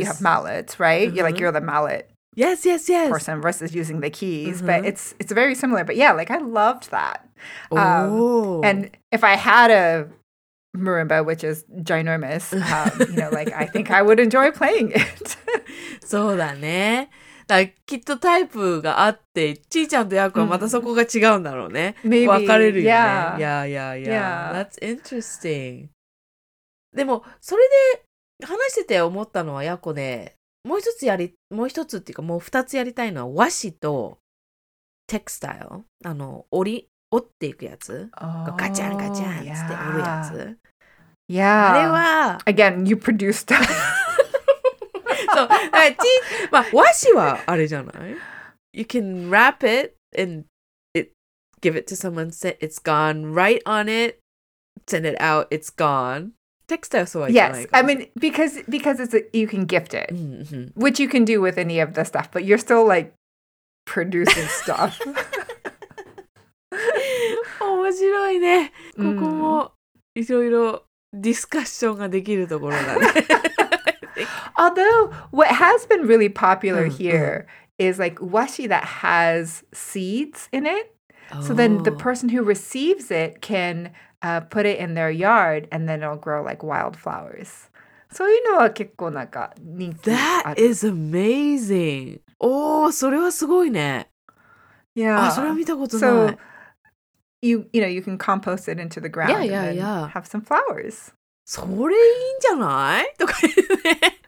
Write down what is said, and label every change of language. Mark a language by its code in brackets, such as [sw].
[en] you have mallets, right? Mm-hmm. You're the mallet. Yes, yes, yes. Person versus using the keys, mm-hmm. but it's very similar. But yeah, like I loved that. Oh, and if I had a marimba, which is ginormous, you know, like I think I would enjoy playing it. [ja] そうだね。だきっとタイプがあって、ちーちゃんとヤクはまたそこが違うんだろうね。 [en] Maybe. [ja] 分かれるよね。 [en] Yeah, yeah, yeah. Yeah. That's interesting. [ja] でもそれで話してて思ったのはやこね、もう一つやり、もう一つっていうかもう二つやりたいのは和紙とテクスタイル、あの折っていくやつ、 [en] oh, [ja] ガチャンガチャンって折るやつ、 [en] yeah. [ja] あれは [en] Again, you produced that. [ja] そう、だからち、まあ、和紙はあれじゃない [en] You can wrap it and it, give it to someone, say it's gone, write on it, send it out, it's goneTextile, so yes, I mean, because it's you can gift it,、 mm-hmm. which you can do with any of the stuff, but you're still like producing stuff. [ja] 面白いね。ここもいろいろディスカッションができるところだね。 [en] Although, what has been really popular here is like 和紙 that has seeds in it.、 Oh. So then the person who receives it can... put it in their yard and then it'll grow like wildflowers. [ja] そういうのは結構なんか人気。 [en] That is amazing. Oh, [ja] それはすごいね。 [en] Yeah. [ja] あ、それは見たことない。 [en] So, you know, you can compost it into the ground yeah, yeah, and then yeah. have some flowers. [ja] それいいんじゃない？とか言うね。